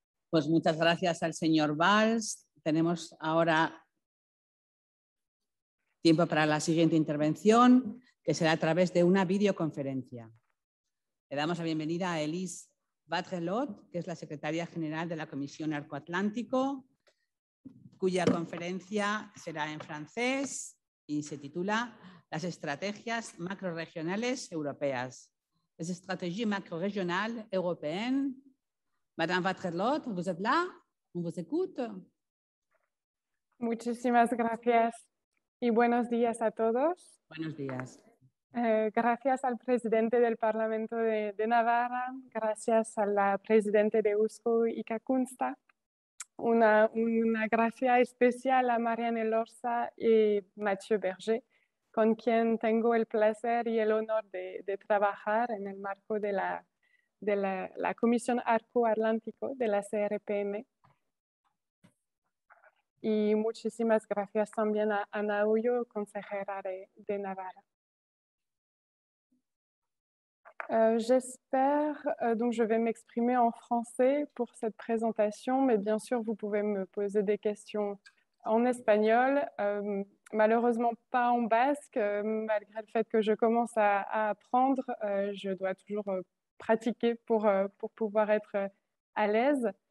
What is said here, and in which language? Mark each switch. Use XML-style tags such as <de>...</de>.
<es>Pues muchas gracias al señor Valls. Tenemos ahora tiempo para la siguiente intervención, que será a través de una videoconferencia. Le damos la bienvenida a Elise Bachelot, que es la secretaria general de la Comisión Arco-Atlántico, cuya conferencia será en francés y se titula Las estrategias macroregionales europeas.</es> <fr>Les stratégies macro-régionales européennes. Madame Bachelot, vous êtes là? On vous écoute?</fr> <es>Muchísimas gracias y buenos días a todos. Buenos días. Gracias al presidente del Parlamento de Navarra, gracias a la presidente de USCO, Ika Kunsta. Una gracia especial a Marianne Elorza y Mathieu Berger, con quien tengo el placer y el honor de trabajar en el marco de la Comisión Arco-Atlántico de la CRPM. Y muchísimas gracias también a Ana Ullo, consejera de Navarra.</es> <fr>J'espère, donc je vais m'exprimer en français pour cette présentation, mais bien sûr, vous pouvez me poser des questions en espagnol. Malheureusement, pas en basque, malgré le fait que je commence à apprendre, je dois toujours pratiquer pour pouvoir être à l'aise.</fr>